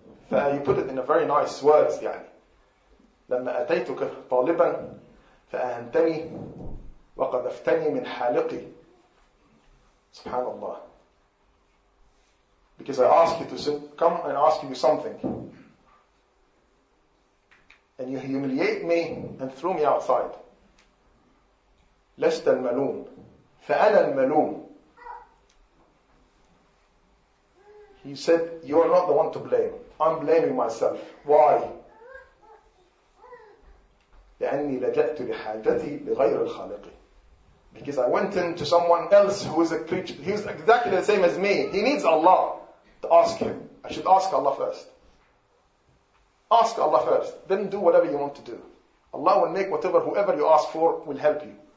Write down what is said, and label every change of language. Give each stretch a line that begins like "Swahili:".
English: He put it in a very nice words.
Arabic: يعني لما أتيتك طالبا فأهنتني وقذفتني من حالقي. سبحان الله.
English: Because I ask you to come and ask you something, and you humiliate me and throw me outside.
Arabic: لست الملوم فأنا الملوم.
English: He said, you are not the one to blame. I'm blaming myself. Why?
Arabic: لأني لجأت لحاجتي لغير الخالق.
English: Because I went in to someone else who is a creature. He was exactly the same as me. He needs Allah to ask him. I should ask Allah first. Ask Allah first. Then do whatever you want to do. Allah will make whatever, whoever you ask for, will help you.